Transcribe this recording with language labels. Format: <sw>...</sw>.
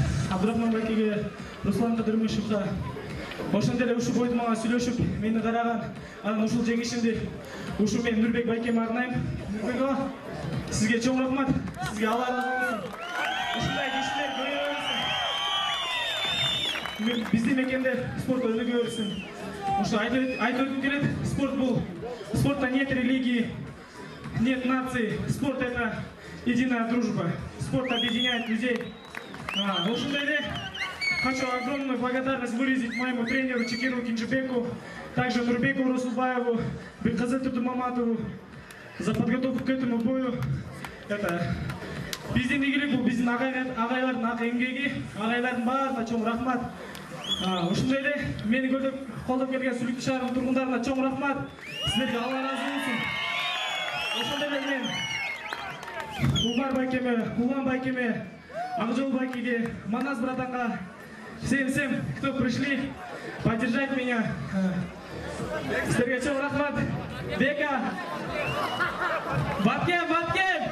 <ky>Абдурахман байкеге, Руслан Кадырмышевга ошондой эле ушул бойдон мага сүйлөшүп мени караган анан ушул жеңишимди ушул мен Нурбек байкеме арнайм. Нурбек ага, сизге чоң рахмат. Сизге алар ыраазы болсун. Ушундай кишилер көбөйө берсин. Биздин мекенде спорт өнүгө берсин. Ушу айтып келет, спорт бул.</ky> <ru>Спорта нет религии, нет нации. Спорт это единая дружба. Спорт объединяет людей.</ru> <ky>Ушундай эле</ky> <ru>хочу огромную благодарность выразить моему тренеру Чекирову Кинжибеку, также Нурбеку Русулбаеву, Бекхазе Турдумаматову за подготовку к этому бою. Это</ru> <ky>биздин эмгеги бул, биздин агайлардын эмгеги, агайлардын баарына чоң рахмат. Ушундай эле мени көрүп колдоп келген Сүлүктү шаарынын тургундарына чоң рахмат. Силерге Алла ыраазы болсун. Ошондой эле мен Улар байкеме, Улан байкеме, Акжол байкеге, Манас братанга,</ky> <ru>всем, кто пришли поддержать меня,</ru> <ky>силерге чоң рахмат. Бека, Баткен, Баткен!</ky>